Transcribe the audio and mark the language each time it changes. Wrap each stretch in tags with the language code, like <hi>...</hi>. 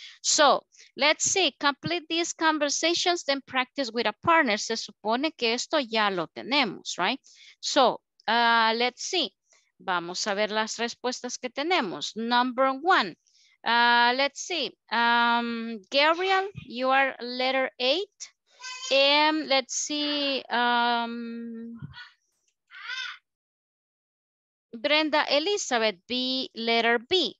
<en>So, let's see, complete these conversations, then practice with a partner.</en> <es>Se supone que esto ya lo tenemos, right?</es> <en>So, let's see,</en> <es>vamos a ver las respuestas que tenemos.</es> <en>Number one, let's see, Gabriel, you are letter 8. And let's see, Brenda Elizabeth, B, letter B.</en>